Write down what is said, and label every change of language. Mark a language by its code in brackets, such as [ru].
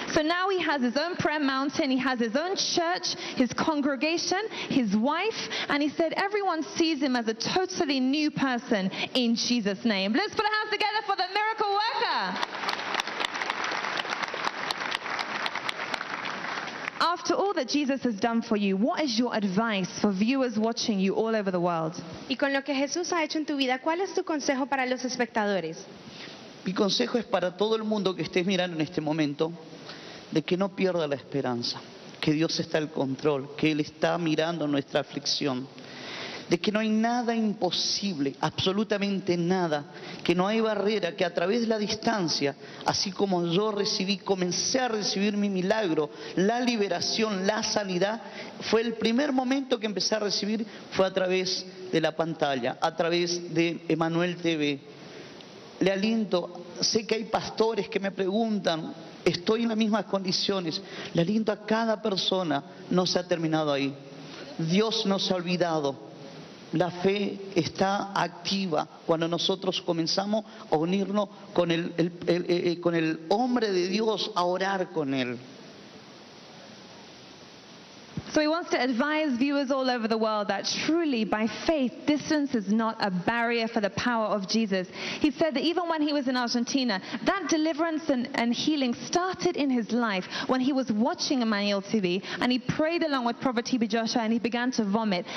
[en] So now he has his own prayer mountain, he has his own church, his congregation, his wife, and he said everyone sees him as a totally new person in Jesus' name. Let's put our hands together for the miracle worker. After all that Jesus has done for you, what is your advice for viewers watching you all over the world? [es] Y con lo que Jesús ha hecho en tu vida, ¿cuál es tu consejo para los espectadores? Mi consejo es para todo el mundo que estés mirando en este momento, de que no pierda la esperanza, que Dios está al control, que Él está mirando nuestra aflicción, de que no hay nada imposible, absolutamente nada, que no hay barrera, que a través de la distancia, así como yo recibí, comencé a recibir mi milagro, la liberación, la sanidad, fue el primer momento que empecé a recibir, fue a través de la pantalla, a través de Emmanuel TV. Le aliento, sé que hay pastores que me preguntan, estoy en las mismas condiciones, le aliento a cada persona, no se ha terminado ahí, Dios no se ha olvidado. La fe está activa cuando nosotros comenzamos a unirnos con el hombre de Dios, a orar con él. [en] So So he wants to advise viewers all over the world that truly, by faith, distance is not a barrier for the power of Jesus. He said that even when he was in Argentina, that deliverance and healing started in his life when he was watching Emmanuel TV, and he prayed along with Prophet TB Joshua, and he began to vomit.